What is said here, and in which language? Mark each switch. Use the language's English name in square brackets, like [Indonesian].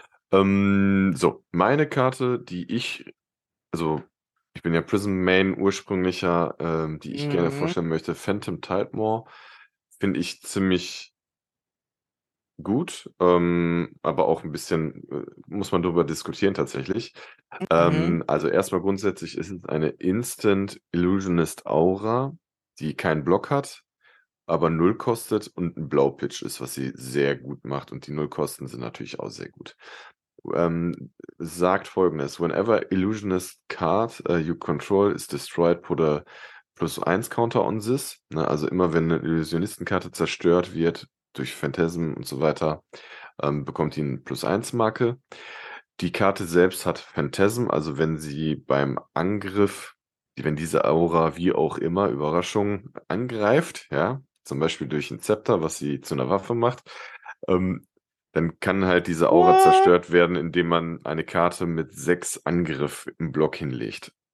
[German] So, meine Karte, die ich, also ich bin ja Prism Main ursprünglicher, die ich gerne vorstellen möchte, Phantom Tide Maw, finde ich ziemlich gut, aber auch ein bisschen muss man darüber diskutieren tatsächlich. Also erstmal grundsätzlich ist es eine Instant Illusionist Aura, die keinen Block hat, aber 0 kostet und ein Blaupitch ist, was sie sehr gut macht und die 0 Kosten sind natürlich auch sehr gut. Sagt folgendes, [English] whenever Illusionist card you control is destroyed, put a +1 Counter on this. [German] Na, also immer wenn eine Illusionistenkarte zerstört wird, durch Phantasm und so weiter, bekommt ihn +1 Marke. Die Karte selbst hat Phantasm, also wenn sie beim Angriff, wenn diese Aura wie auch immer Überraschung angreift, ja, zum Beispiel durch ein Zepter, was sie zu einer Waffe macht, dann kann halt diese Aura zerstört werden, indem man eine Karte mit 6 Angriff im Block hinlegt.